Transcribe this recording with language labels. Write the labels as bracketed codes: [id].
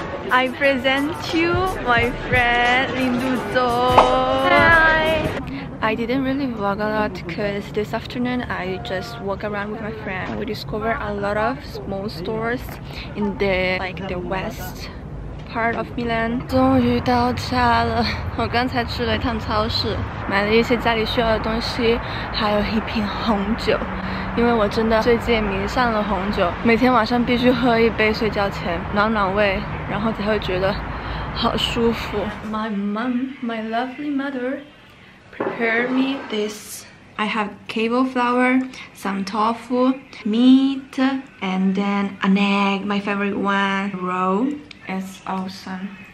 [en] I present you my friend, Lin Du Zhou. Hi! I didn't really vlog a lot because this afternoon I just walk around with my friend. We discovered a lot of small stores in the, like, the west. Part of Milan. [zh] 终于到家了，我刚才去了一趟超市，买了一些家里需要的东西，还有一瓶红酒，因为我真的最近迷上了红酒，每天晚上必须喝一杯，睡觉前暖暖胃，然后才会觉得好舒服。 [en] My mom, my lovely mother, prepared me this. I have cable flour, some tofu, meat, and then an egg, my favorite one, roll. It's awesome.